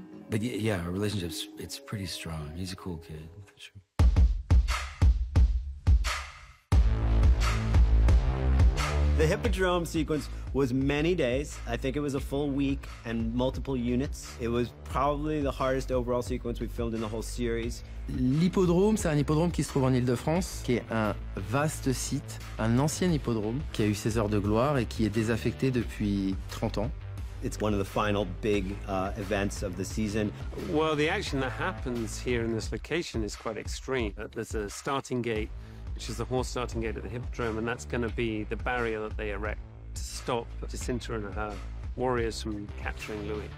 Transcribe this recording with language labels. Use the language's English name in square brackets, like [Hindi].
[English] But yeah, our relationship's, it's pretty strong. He's a cool kid. The Hippodrome sequence was many days. I think it was a full week and multiple units. It was probably the hardest overall sequence we filmed in the whole series. [French] L'hippodrome, c'est un hippodrome qui se trouve en Île-de-France, qui est un vaste site, un ancien hippodrome qui a eu ses heures de gloire et qui est désaffecté depuis 30 ans. [English] It's one of the final big events of the season. Well, the action that happens here in this location is quite extreme. There's a starting gate, which is the horse starting gate at the Hippodrome, and that's going to be the barrier that they erect to stop Jacinta and her warriors from capturing Louis.